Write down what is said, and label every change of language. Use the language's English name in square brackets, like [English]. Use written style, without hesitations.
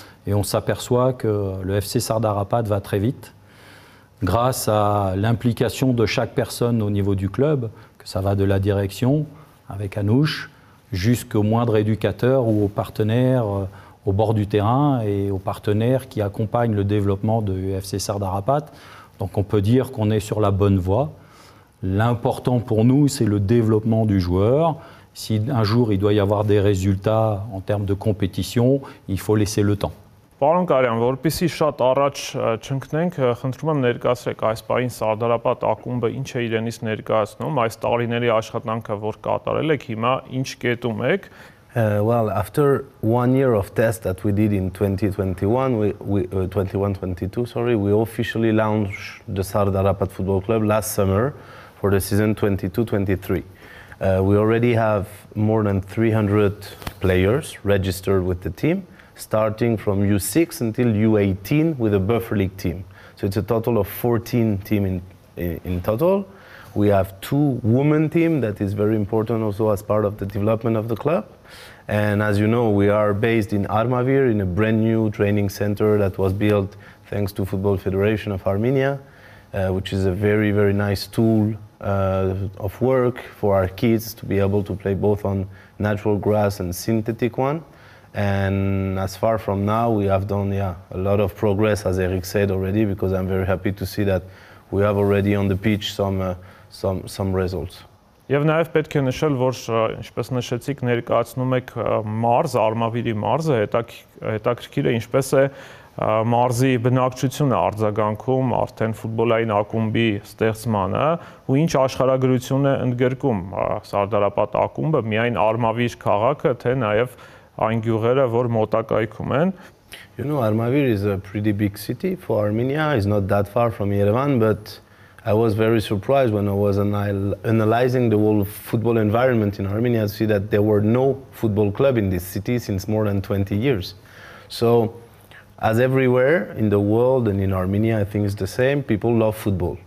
[French] Et on s'aperçoit que le FC Sardarapat va très vite, grâce à l'implication de chaque personne au niveau du club, que ça va de la direction, avec Anouche, jusqu'au moindre éducateur ou aux partenaires au bord du terrain et aux partenaires qui accompagnent le développement du FC Sardarapat. Donc on peut dire qu'on est sur la bonne voie. L'important pour nous, c'est le développement du joueur. Si un jour il doit y avoir des résultats en termes de compétition, il faut laisser le temps. [Armenian] Պարոն Կարյան, որպեսզի շատ առաջ չընկնենք, խնդրում եմ ներկասեք այս պահին Սարդարապատ ակումբը ինչ է իրենից ներկայացնում, այս տարիների աշխատանքը, որ կատարել եք, հիմա ինչ կետում եք? [English] Well, after one year of test that we did in 2021-22, we officially launched the Sardarapat Football Club last summer for the season 22-23. We already have more than 300 players registered with the team, starting from U6 until U18 with a buffer league team. So it's a total of 14 teams in total. We have two women team that is very important also as part of the development of the club. And as you know, we are based in Armavir in a brand new training center that was built thanks to Football Federation of Armenia, which is a very, very nice tool of work for our kids to be able to play both on natural grass and synthetic one. And as far from now, we have done a lot of progress, as Eric said already, because I'm very happy to see that we have already on the pitch some results. [Armenian] Եվ նաև պետք է նշել, որ ինչպես նշեցիք, ներկայացնում եք մարզը, Արմավիրի մարզը, հետաքրքիր է ինչպես է մարզի բնակչությունը արձագանքում արդեն ֆուտբոլային ակումբի ստեղծմանը ու ինչ աշխարհագրություն է ընդգրկում Սարդարապատ ակումբը միայն Արմավիր քաղաքը, թե նաև այն գյուղերը, որ մոտակայքում են։ [English] You know, Armavir is a pretty big city for Armenia. It's not that far from Yerevan, but I was very surprised when I was analyzing the whole football environment in Armenia to see that there were no football club in this city since more than 20 years. So, as everywhere in the world and in Armenia, I think it's the same, people love football.